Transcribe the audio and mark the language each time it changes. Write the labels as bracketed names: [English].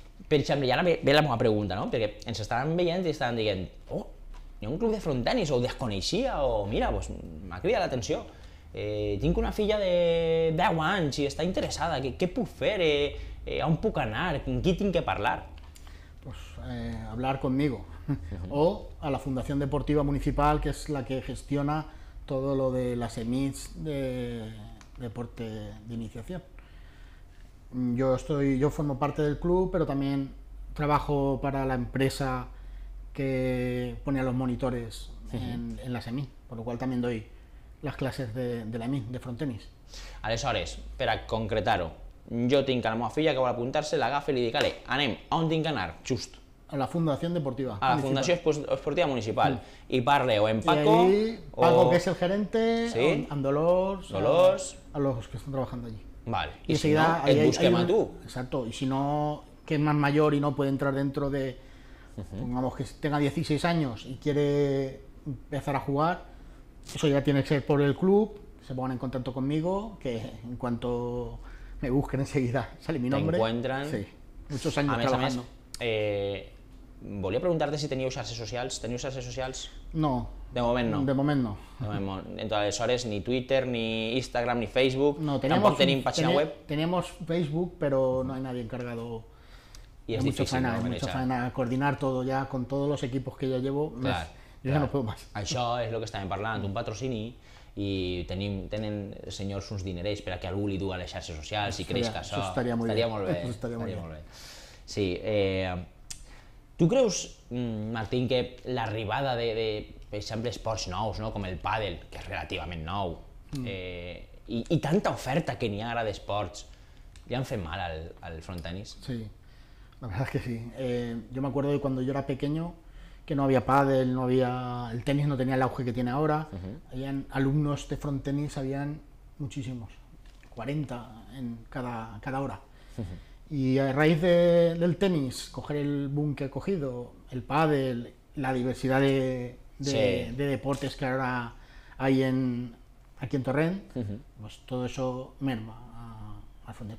[Catalan] Per exemple, ara ve la meva pregunta, no? Perquè ens estaran veient i estaran dient, oh, hi ha un club de frontenis, o ho desconeixia, o mira, pues, m'ha cridat l'atenció. Tinc una filla de 10 anys i està interessada, què puc fer? ¿On puc anar? ¿Con qui tinc que parlar? [Spanish] Pues hablar conmigo. Uh-huh. O a la Fundación Deportiva Municipal, que es la que gestiona todo lo de las EMIs de deporte de iniciación. Yo formo parte del club, pero también trabajo para la empresa que pone a los monitores, uh-huh, en las EMIs, por lo cual también doy las clases de la EMI, de frontenis. [Catalan] Aleshores, per a concretar-ho, jo tinc a la meva filla que vol apuntar-se, l'agafa i li dic, ale, anem, on tinc que anar, just? A la Fundació Deportiva. A la Fundació Esportiva Municipal. Sí. I parle o en Paco... I ahí, Paco, que és el gerente, sí, amb Dolors... Dolors... A los que estan treballant allí. [Spanish] Vale. I [Catalan] si seguida, no, et busquem a tu. Exacto, i si no, que és més major i no pot entrar [Spanish] dentro de... Uh-huh. Pongamos que tenga 16 [Catalan] anys i [Spanish] quiere empezar a jugar, eso ya tiene que ser por el club, se pongan en contacto conmigo, que en cuanto me busquen enseguida sale mi nombre. Te encuentran. Sí, muchos años trabajando. [Catalan] A més, volia preguntar-te si teniu xarxes socials. Teniu xarxes socials? No. De moment no. De moment no. Aleshores, ni Twitter, ni Instagram, ni Facebook. No, tampoc tenim pàgina web. [Spanish] Tenemos Facebook, pero no hay nadie encargado. Y es difícil. Mucha faena coordinar todo ya con todos los equipos que ya llevo. Claro. [Catalan] Ja no puc més. Això és el que estàvem parlant, un patrocini, i tenen senyors uns dinerets per a que algú li du a les xarxes socials i creix que això estaria molt bé. Sí, tu creus, Martín, que l'arribada de, per exemple, esports nous, com el pàdel, que és relativament nou, i tanta oferta que n'hi ha ara d'esports, li han fet mal al frontenis? [Spanish] Sí, la verdad es que sí. Yo me acuerdo de cuando yo era pequeño, que no había pádel, no había, el tenis no tenía el auge que tiene ahora. Uh-huh. Habían alumnos de frontenis, habían muchísimos, 40 en cada hora. Uh-huh. Y a raíz del tenis, coger el boom que ha cogido, el pádel, la diversidad de deportes que ahora hay aquí en Torrent, uh-huh, pues todo eso merma al frontenis.